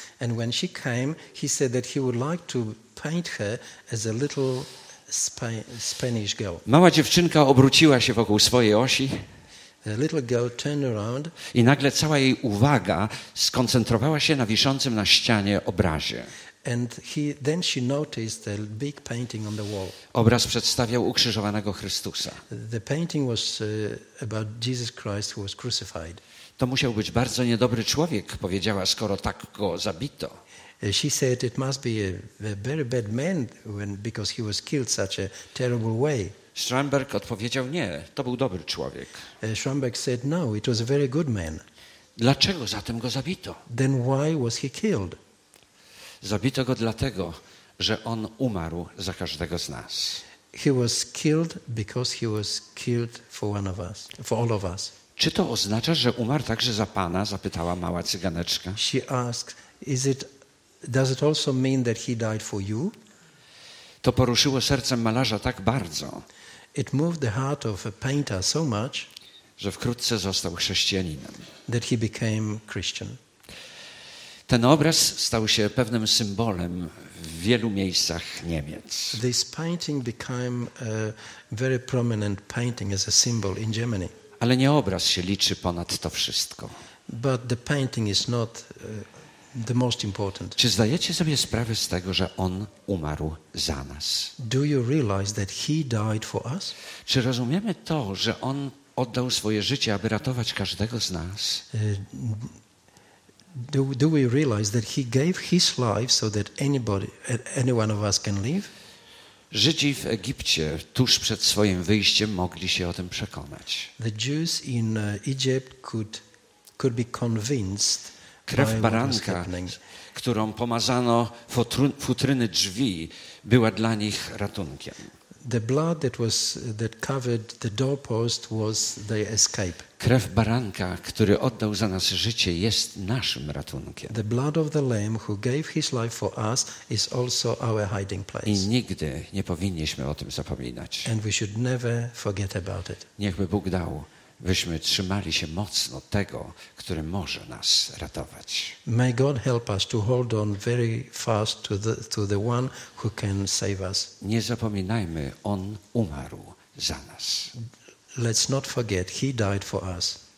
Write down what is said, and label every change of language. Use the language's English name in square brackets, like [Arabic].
[English] And when she came, he said that he would like to paint her as a little Spanish girl. [Polish] Mała dziewczynka obróciła się wokół swojej osi. [English] A little girl turned around. [Polish] I nagle cała jej uwaga skoncentrowała się na wiszącym na ścianie obrazie. [English] And then she noticed a big painting on the wall. [Polish] Obraz przedstawiał ukrzyżowanego Chrystusa. [English] The painting was about Jesus Christ who was crucified. [Polish] To musiał być bardzo niedobry człowiek, powiedziała, skoro tak go zabito. [English] She said it must be a very bad man because he was killed such a terrible way. [Polish] Schramberg odpowiedział: nie, to był dobry człowiek. [English] Schramberg said no, it was a very good man. [Polish] Dlaczego zatem go zabito? [English] Then why was he killed? [Polish] Zabito go dlatego, że on umarł za każdego z nas. [English] He was killed because he was killed for one of us, for all of us. [Polish] Czy to oznacza, że umarł także za pana? Zapytała mała cyganeczka. [English] She asked, is it Does it also mean that he died for you? [Polish] To poruszyło serce malarza tak bardzo. [English] It moved the heart of a painter so much, [Polish] że wkrótce został chrześcijaninem. [English] That he became Christian. [Polish] Ten obraz stał się pewnym symbolem w wielu miejscach Niemiec. [English] This painting became a very prominent painting as a symbol in Germany. [Polish] Ale nie obraz się liczy ponad to wszystko. [English] But the painting is not the most important. [Polish] Czy zdajecie sobie sprawę z tego, że on umarł za nas? [English] Do you realize that he died for us? [Polish] Czy rozumiemy to, że on oddał swoje życie, aby ratować każdego z nas? [English] Do we realize that he gave his life so that anybody, any one of us can live? [Polish] Żydzi w Egipcie tuż przed swoim wyjściem mogli się o tym przekonać. [English] The Jews in Egypt could be convinced. [Polish] Krew baranka, którą pomazano w futryny drzwi, była dla nich ratunkiem. [English] The blood that covered the doorpost was their escape. [Polish] Krew baranka, który oddał za nas życie, jest naszym ratunkiem. [English] The blood of the lamb who gave his life for us is also our hiding place. [Polish] I nigdy nie powinniśmy o tym zapominać. [English] And we should never forget about it. [Polish] Niechby Bóg dał, byśmy trzymali się mocno tego, który może nas ratować. [English] May God help us to hold on very fast to the one who can save us. [Polish] Nie zapominajmy, on umarł za nas. [English] Let's not forget, he died for us.